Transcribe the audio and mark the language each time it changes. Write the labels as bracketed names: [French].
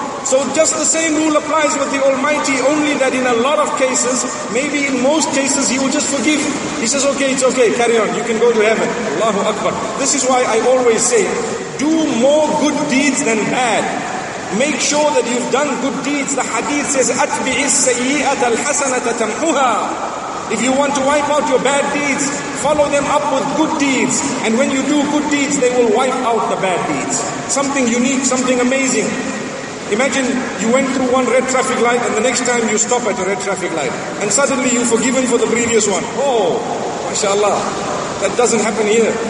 [English] So just the same rule applies with the Almighty, only that in a lot of cases, maybe in most cases, He will just forgive. He says, okay, it's okay, carry on, you can go to heaven. Allahu Akbar. This is why I always say, do more good deeds than bad. Make sure that you've done good deeds. The hadith says, [Arabic] أَتْبِعِ السَّيِّئَةَ الْحَسَنَةَ تَمْحُهَا. [English] If you want to wipe out your bad deeds, follow them up with good deeds. And when you do good deeds, they will wipe out the bad deeds. Something unique, something amazing. Imagine you went through one red traffic light and the next time you stop at a red traffic light. And suddenly you're forgiven for the previous one. Oh, mashallah, that doesn't happen here.